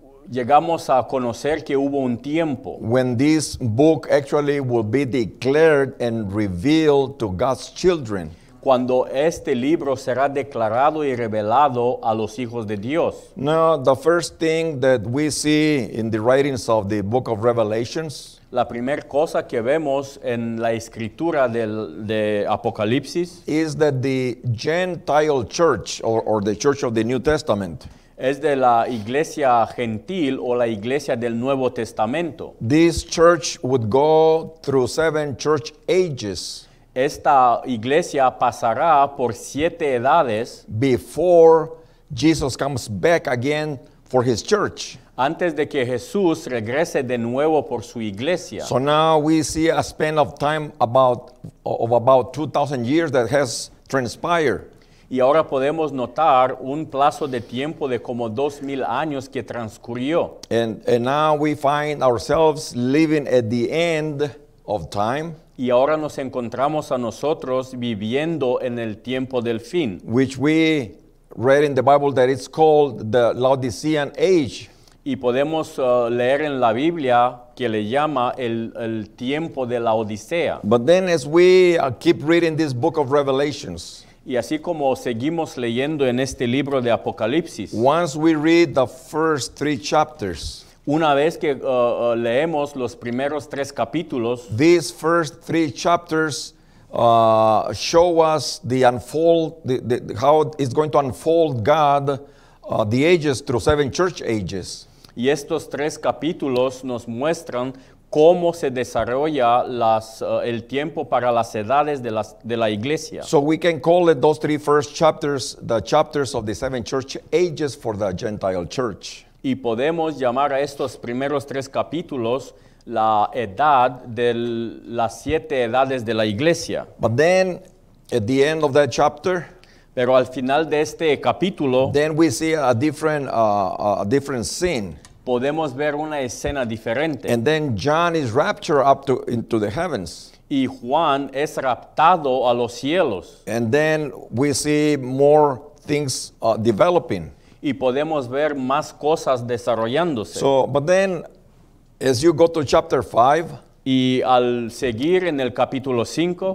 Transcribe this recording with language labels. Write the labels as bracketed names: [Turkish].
[Spanish] Llegamos a conocer que hubo un tiempo. [English] When this book actually will be declared and revealed to God's children. [Spanish] Cuando este libro será declarado y revelado a los hijos de Dios. [English] Now, the first thing that we see in the writings of the book of Revelations. [Spanish] La primera cosa que vemos en la escritura de Apocalipsis. [English] Is that the Gentile church or the church of the New Testament. [Spanish] Es de la iglesia gentil o la iglesia del Nuevo Testamento. [English] This church would go through 7 church ages. [Spanish] Esta iglesia pasará por 7 edades [English] before Jesus comes back again for his church. [Spanish] Antes de que Jesús regrese de nuevo por su iglesia. [English] So now we see a span of time about 2,000 years that has transpired. [Spanish] Y ahora podemos notar un plazo de tiempo de como 2,000 años que transcurrió. [English] And now we find ourselves living at the end of time. [Spanish] Y ahora nos encontramos a nosotros viviendo en el tiempo del fin. [English] Which we read in the Bible that it's called the Laodicean Age. [Spanish] Y podemos leer en la Biblia que le llama el tiempo de la Odisea. [English] But then as we keep reading this book of Revelations. [Spanish] Y así como seguimos leyendo en este libro de Apocalipsis. [English] Once we read the first 3 chapters. [Spanish] Una vez que leemos los primeros 3 capítulos. [English] These first 3 chapters show us the unfold, how it's going to unfold God, the ages through 7 church ages. [Spanish] Y estos 3 capítulos nos muestran cómo se desarrolla el tiempo para las edades de la iglesia. [English] So we can call it those 3 first chapters, the chapters of the 7 church ages for the Gentile church. [Spanish] Y podemos llamar a estos primeros 3 capítulos la edad de las 7 edades de la iglesia. [English] But then, at the end of that chapter, [Spanish] pero al final de este capítulo, [English] then we see a different scene. [Spanish] Podemos ver una escena diferente. [English] And then John is raptured up into the heavens. [Spanish] Y Juan es raptado a los cielos. [English] And then we see more things developing. [Spanish] Y podemos ver más cosas desarrollándose. [English] So, but then, as you go to chapter 5, [Spanish] y al seguir en el capítulo 5,